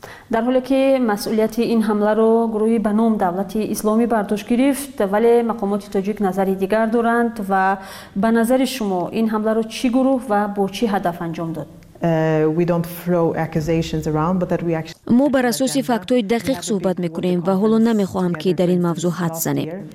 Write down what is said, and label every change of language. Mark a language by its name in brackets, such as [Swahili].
[Persian] در حالی که مسئولیت این حمله را گروه به نام دولت اسلامی بر دوش گرفت، ولی مقامات تاجیک نظری دیگر دارند و به نظر شما این حمله را چه گروه و با چه هدف انجام داد؟ [English] We don't throw accusations around, but that we actually [Persian] ما بر اساس فکت‌های دقیق صحبت میکنیم و حالا نمیخواهم که در این موضوع حد زنیم.